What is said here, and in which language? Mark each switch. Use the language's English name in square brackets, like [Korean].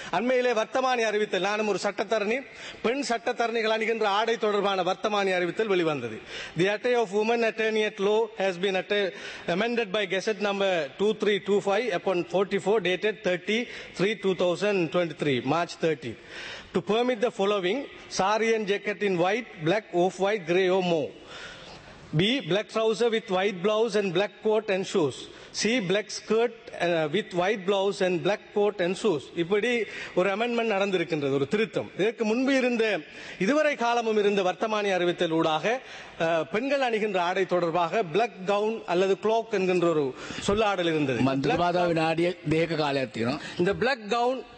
[Tamil] அண்மையிலே வர்த்தமானி அறிவித்தல், நானும் ஒரு சட்டத்தரணி, பெண் சட்டத்தரணிகள் அணிகின்ற ஆடை தொடர்பான வர்த்தமானி அறிவித்தல் வெளிவந்தது. [English] The attire of women attorney at law has been amended by gazette number 2325 அப்பன் 44 dated 30/3/2023 March 30. To permit the following: sari and jacket in white, black, off white, grey or more. B. Black trouser with white blouse and black coat and shoes. C. Black skirt with white blouse and black coat and shoes. [Tamil] இப்படி ஒரு amendment நடந்திருக்கின்றது, ஒரு திருத்தம். இதற்கு முன்பு இருந்த, இதுவரை காலமும் இருந்த வர்த்தமானி அறிவித்தல் ஊடாக பெண்கள் அணிகின்ற ஆடை தொடர்பாக பிளாக் கவுன் அல்லது குளோக் என்கின்ற ஒரு சொல்லாடல் இருந்தது. மந்திரவாதாவின் ஆடிய தேக காலத்தினும் இந்த பிளாக் கவுன்